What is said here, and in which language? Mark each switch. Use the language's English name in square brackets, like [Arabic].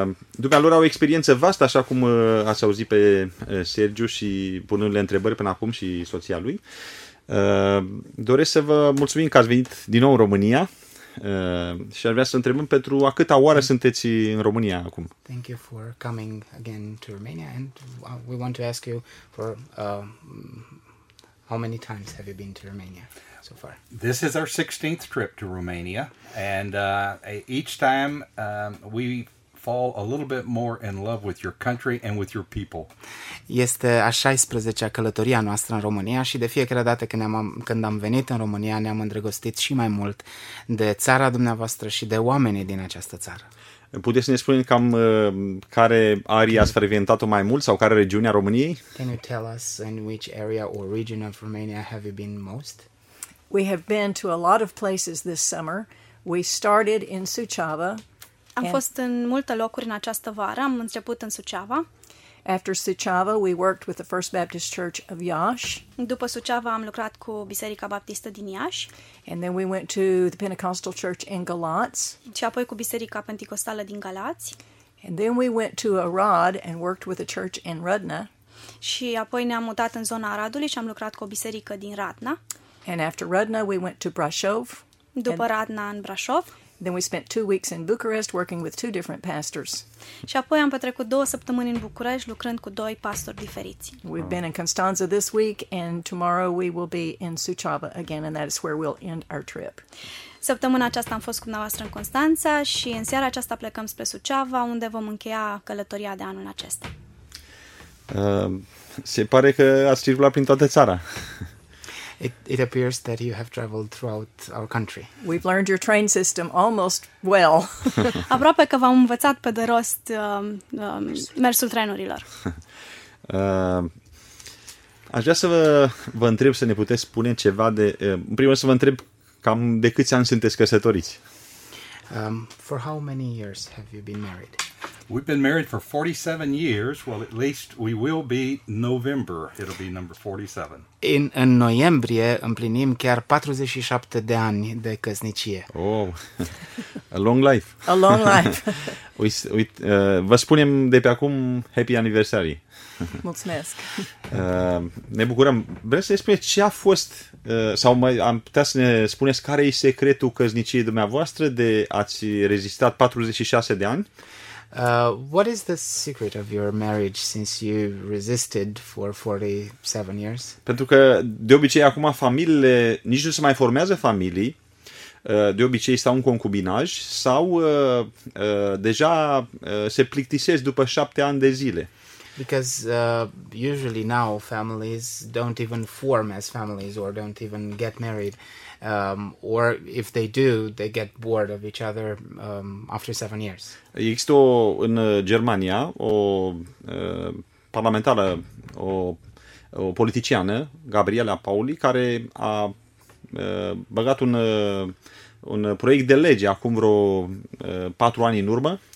[Romanian] Dumea lor au o experiență vastă, așa cum ați auzit pe Sergiu și punându-le întrebări până acum și soția lui. Doresc să vă mulțumim că ați venit din nou în România și ar vrea să întrebăm pentru a câta oară sunteți în România acum. [English] Thank you for coming again to Romania and we want to ask you for how many times have you been to Romania so far? This is our 16th trip to Romania and each time we fall a little bit more in love with your country and with your people. [Romanian] Este a 16-a călătoria noastră în România și de fiecare dată când am venit în România ne-am îndrăgostit și mai mult de țara dumneavoastră și de oamenii din această țară. Puteți să ne spuneți cam care area ați frecventat-o mai mult sau care regiune a României? [English] Can you tell us in which area or region of Romania have you been most? We have been to a lot of places this summer. We started in Suceava. [Romanian] Am fost în multe locuri în această vară. Am început în Suceava. [English] After Suceava, we worked with the First Baptist Church of Iași. [Romanian] După Suceava, am lucrat cu Biserica Baptistă din Iași. [English] And then we went to the Pentecostal Church in Galați. [Romanian] Și apoi cu Biserica Pentecostală din Galați. [English] And then we went to Arad and worked with a church in Rudna. [Romanian] Și apoi ne-am mutat în zona Aradului și am lucrat cu o biserică din Radna. [English] And after Rudna, we went to Brașov. [Romanian] După Radna, în Brașov. [English] Then we spent 2 weeks in Bucharest working with 2 different pastors. [Romanian] Și apoi am petrecut 2 săptămâni în București lucrând cu 2 pastori diferiți. [English] We've been in Constanța this week and tomorrow we will be in Suceava again and that is where we'll end our trip. [Romanian] Săptămâna aceasta am fost cu dumneavoastră în Constanța și în seara aceasta plecăm spre Suceava unde vom încheia călătoria de anul acesta. Se pare că ați circulat prin toată țara. [English] It appears that you have traveled throughout our country. We've learned your train system almost well. [Romanian] Aproape că v-am învățat pe de rost mersul trenurilor. Aș vrea să vă întreb să ne puteți spune ceva de... În primul rând să vă întreb cam de câți ani sunteți căsătoriți? [English] For how many years have you been married? We've been married for 47 years. Well, at least we will be November. It'll be number 47. [Romanian] În noiembrie împlinim chiar 47 de ani de căsnicie. [English] Oh, a long life. A long life. [Romanian] Vă spunem de pe acum [English] happy anniversary. [Romanian] Mulțumesc. Ne bucurăm. Vreau să spun ce a fost, sau am putea să ne spuneți care e secretul căsniciei dumneavoastră de ați rezistat 46 de ani. [English] What is the secret of your marriage since you resisted for 47 years? [Romanian] Pentru că de obicei acum familiile nici nu se mai formează familii. De obicei stau în concubinaj sau deja se plictisesc după 7 ani de zile. [English] Because usually now families don't even form as families or don't even get married. Or if they do, they get bored of each other after 7 years. [Romanian] Există în Germania o parlamentară, o politiciană, Gabriela Pauli, care a băgat un proiect de lege acum vreo 4 ani în urmă.